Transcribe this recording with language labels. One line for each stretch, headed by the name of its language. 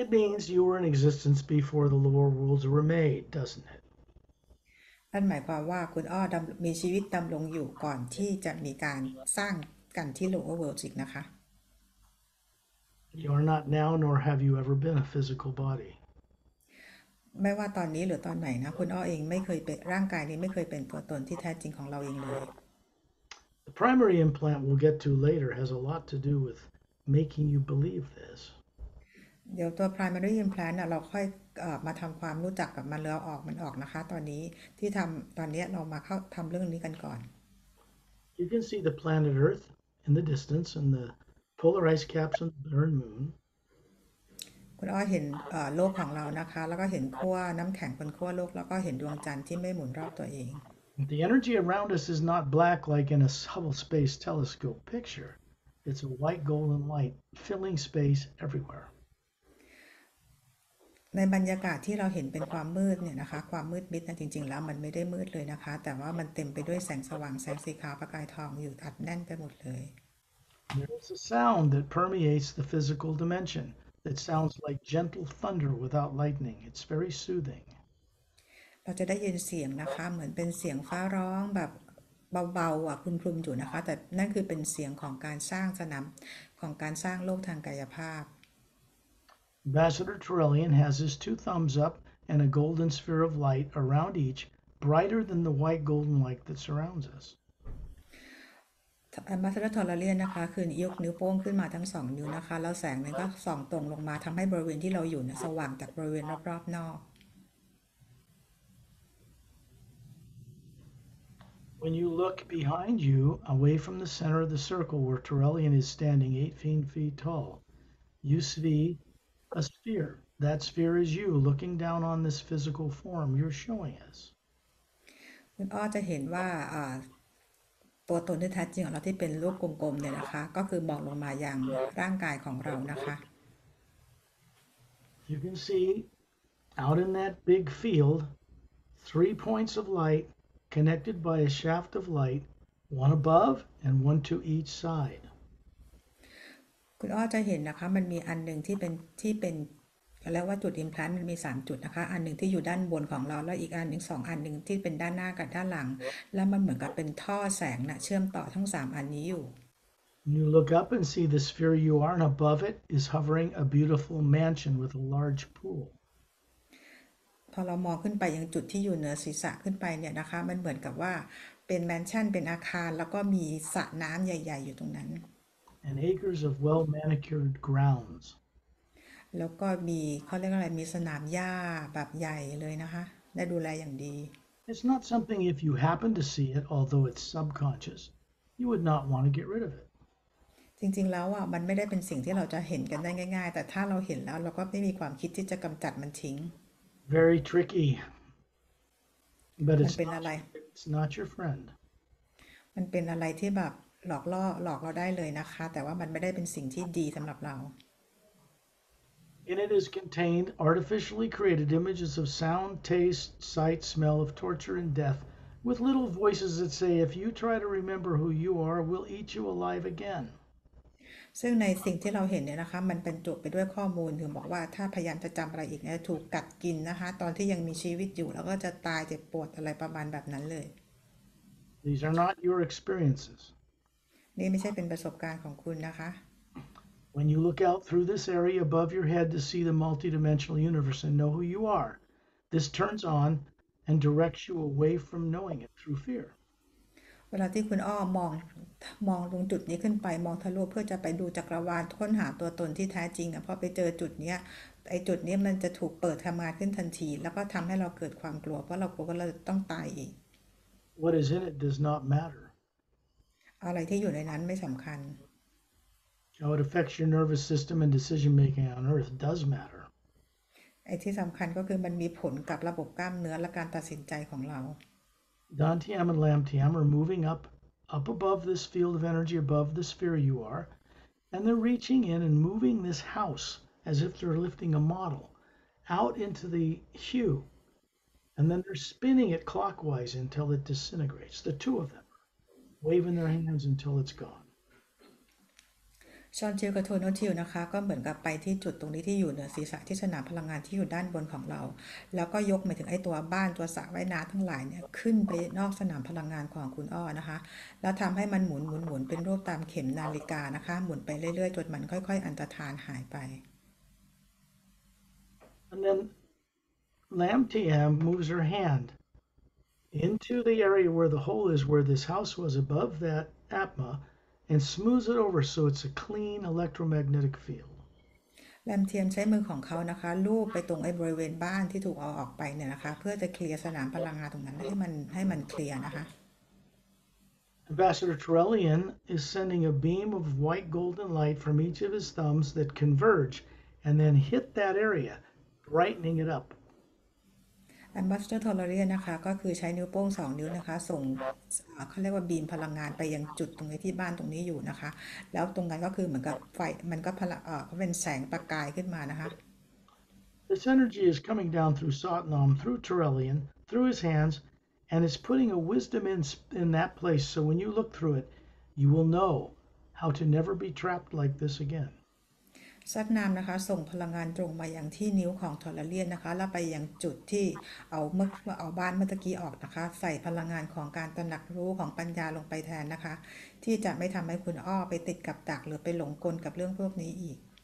English: It means you were in existence before the lower worlds were made, doesn't it?
Thai: นั่นหมายความว่าคุณอ้อมีชีวิตดำรงอยู่ก่อนที่จะมีการสร้างกันที่ Lower World อีกนะคะ
English: You are not now, nor have you ever been a physical body.
Thai: ไม่ว่าตอนนี้หรือตอนไหนนะคุณอ้อเองไม่เคยเป็นร่างกายนี้ไม่เคยเป็นตัวตนที่แท้จริงของเราเองเลย
English: The primary implant we'll get to later has a lot to do with making you believe this.
Thai: เดี๋ยวตัว primary implant เราค่อยมาทำความรู้จักกับมันแล้วออกมันออกนะคะตอนนี้ที่ทำตอนนี้เรามาเข้าทำเรื่องนี้กันก่อน
English: You can see the planet Earth in the distance and the polar ice caps and the barren moon.
Thai: คุณอ้อเห็นโลกของเรานะคะแล้วก็เห็นขั้วน้ำแข็งบนขั้วโลกแล้วก็เห็นดวงจันทร์ที่ไม่หมุนรอบตัวเอง
English: The energy around us is not black like in a Hubble Space Telescope picture. It's a white golden light filling space everywhere.
Thai: ในบรรยากาศที่เราเห็นเป็นความมืดเนี่ยนะคะความมืดมิดนะจริงๆแล้วมันไม่ได้มืดเลยนะคะแต่ว่ามันเต็มไปด้วยแสงสว่างแสงสีขาวประกายทองอยู่อัดแน่นไปหมดเลย
English: There is a sound that permeates the physical dimension that sounds like gentle thunder without lightning. It's very soothing.
Thai: เราจะได้ยินเสียงนะคะเหมือนเป็นเสียงฟ้าร้องแบบเบาๆอ่ะครุ่มๆอยู่นะคะแต่นั่นคือเป็นเสียงของการสร้างสนามของการสร้างโลกทางกายภาพ
English: Ambassador Trillian has his two thumbs up and a golden sphere of light around each, brighter than the white golden light that surrounds us.
Thai: Ambassador Trillian นะคะคือยกนิ้วโป้งขึ้นมาทั้งสองนิ้วนะคะแล้วแสงนั้นก็ส่องตรงลงมาทำให้บริเวณที่เราอยู่เนี่ยสว่างจากบริเวณรอบๆนอก
English: When you look behind you, away from the center of the circle where Trillian is standing 18 feet tall, you see a sphere. That sphere is you looking down on this physical form you're showing us.
Thai: คุณอ้อจะเห็นว่าตัวตนที่แท้จริงของเราที่เป็นลูกกลมๆเนี่ยนะคะก็คือมองลงมาอย่างร่างกายของเรานะคะ
English: You can see out in that big field three points of light connected by a shaft of light, one above and one to each side.
Thai: คุณอ้อจะเห็นนะคะมันมีอันหนึ่งที่เป็นแล้วว่าจุดอิมแพลนต์มันมี3จุดนะคะอันหนึ่งที่อยู่ด้านบนของเราแล้วอีกอันหนึ่ง2อันหนึ่งที่เป็นด้านหน้ากับด้านหลังแล้วมันเหมือนกับเป็นท่อแสงนะเชื่อมต่อทั้ง3อันนี้อยู่
English: You look up and see the sphere you are and above it is hovering a beautiful mansion with a large pool
Thai: พอเรามองขึ้นไปยังจุดที่อยู่เหนือศีรษะขึ้นไปเนี่ยนะคะมันเหมือนกับว่าเป็นแมนชั่นเป็นอาคารแล้วก็มีสระน้ำใหญ่ๆอยู่ตรงนั้น
English: And acres of well manicured grounds.
Thai: แล้วก็มีเขาเรียกอะไรมีสนามหญ้าแบบใหญ่เลยนะคะได้ดูแลอย่างดี
English: It's not something if you happen to see it, although it's subconscious, you would not want to get rid of it.
Thai: จริงๆแล้วอ่ะมันไม่ได้เป็นสิ่งที่เราจะเห็นกันได้ง่ายๆแต่ถ้าเราเห็นแล้วเราก็ไม่มีความคิดที่จะกำจัดมันทิ้ง
English: Very tricky. But
Thai: มันเป็นอะไร
English: It's not your friend.
Thai: มันเป็นอะไรที่แบบหลอกล่อหลอกเราได้เลยนะคะแต่ว่ามันไม่ได้เป็นสิ่งที่ดีสำหรับเรา
English: In it is contained artificially created images of sound, taste, sight, smell of torture and death with little voices that say if you try to remember who you are we'll eat you alive again
Thai: ซึ่งในสิ่งที่เราเห็นเนี่ยนะคะมันเป็นจุไปด้วยข้อมูลคือบอกว่าถ้าพยายามจะจำอะไรอีกเนี่ยถูกกัดกินนะคะตอนที่ยังมีชีวิตอยู่แล้วก็จะตายเจ็บปวดอะไรประมาณแบบนั้นเลย
English: These are not your experiences
Thai: นี่ไม่ใช่เป็นประสบการณ์ของคุณนะคะ
English: When you look out through this area above your head to see the multidimensional universe and know who you are, this turns on and directs you away from knowing it through fear.
Thai: เวลาที่คุณอ้อมองตรงจุดนี้ขึ้นไปมองทะลุเพื่อจะไปดูจักรวาลค้นหาตัวตนที่แท้จริงอ่ะพอไปเจอจุดนี้ไอ้จุดนี้มันจะถูกเปิดทำงานขึ้นทันทีแล้วก็ทำให้เราเกิดความกลัวเพราะเรากลัวว่าเราต้องตายอีก
English: What is in it does not matter.
Thai: อะไรที่อยู่ในนั้นไม่สำคัญ
English: How it affects your nervous system and decision making on earth does matter.
Thai: ไอ้ที่สำคัญก็คือมันมีผลกับระบบกล้ามเนื้อและการตัดสินใจของเรา
English: Dan Tiam and Lam Tiam are moving up above this field of energy, above the sphere you are, and they're reaching in and moving this house as if they're lifting a model out into the hue, and then they're spinning it clockwise until it disintegrates. The two of them waving their hands until it's gone.
Thai: ชอนจิลกับโทนอทิลนะคะก็เหมือนกับไปที่จุดตรงนี้ที่อยู่เหนือศีรษะที่สนามพลังงานที่อยู่ด้านบนของเราแล้วก็ยกหมายถึงไอ้ตัวบ้านตัวสระว่ายน้ำทั้งหลายเนี่ยขึ้นไปนอกสนามพลังงานของคุณอ้อนะคะแล้วทําให้มันหมุนเป็นรูปตามเข็มนาฬิกานะคะหมุนไปเรื่อยๆจนมันค่อยๆอันตรธานหายไป
English: And then Lam TM moves her hand into the area where the hole is, where this house was above that Atma, and smooths it over so it's a clean electromagnetic field.
Thai: Lam TM ใช้มือของเขานะคะลูบไปตรงไอ้บริเวณบ้านที่ถูกเอาออกไปเนี่ยนะคะเพื่อจะเคลียร์สนามพลังงานตรงนั้นให้มันเคลียร์นะคะ
English: Ambassador Trellian is sending a beam of white golden light from each of his thumbs that converge and then hit that area, brightening it up.
Thai: Ambassador Tolerian นะคะก็คือใช้นิ้วโป้ง2นิ้วนะคะส่งเขาเรียกว่าบีมพลังงานไปยังจุดตรงนี้ที่บ้านตรงนี้อยู่นะคะแล้วตรงนั้นก็คือเหมือนกับไฟมันก็พละก็เป็นแสงประกายขึ้นมานะคะ
English: This energy is coming down through Satnam, through Trellian, through his hands, and it's putting a wisdom in that place, so when you look through it, you will know how to never be trapped like this again.
Thai: ซัดนามนะคะส่งพลังงานตรงมาอย่างที่นิ้วของทอร์เรียนนะคะแล้วไปยังจุดที่เอาบ้านเมื่อตะกี้ออกนะคะใส่พลังงานของการตระหนักรู้ของปัญญาลงไปแทนนะคะที่จะไม่ทําให้คุณอ้อไปติดกับดักหรือไปหลงกลกับเรื่องพวกนี้อีก